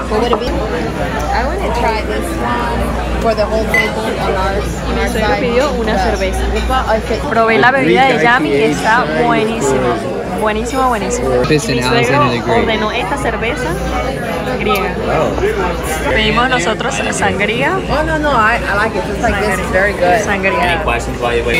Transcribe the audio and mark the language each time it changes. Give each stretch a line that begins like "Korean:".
English: What would it be? I want to try this one for the whole table on our side.
Spanish: Y me pidió una cerveza. Probé la bebida de Yami y está buenísimo. Buenísimo, buenísimo. Y mi suegro ordenó esta cerveza griega. Wow. Pedimos nosotros sangría.
English: Oh, no, no, I like it. It's like this is very good.
Spanish: Sangría.
English: Any questions while you wait?